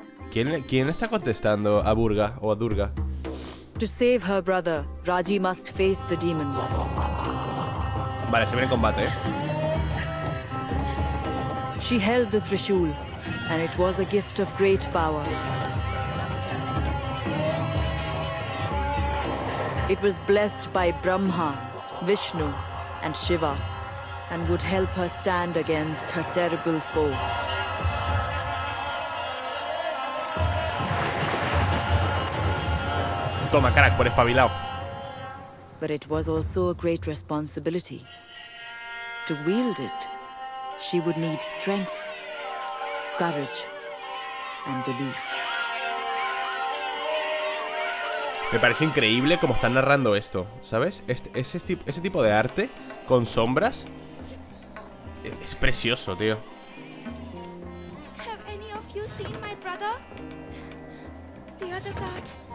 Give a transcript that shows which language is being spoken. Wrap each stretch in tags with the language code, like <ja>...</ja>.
<es>¿Quién está contestando a Burga o a Durga?</es> <en>To save her brother, Raji must face the demons.</en> <es>Vale, se viene el combate.</es> <en>She held the Trishul, and it was a gift of great power. It was blessed by Brahma, Vishnu, and Shiva, and would help her stand against her terrible foe.</en> <es>Toma, crack, por espabilado.</es> <en>But it was also a great responsibility. To wield it, she would need strength, courage, and belief.</en> <es>Me parece increíble cómo están narrando esto, ¿sabes? Ese tipo de arte con sombras es precioso, tío.</es> <en>Have any of you seen my brother? The other guard.</en>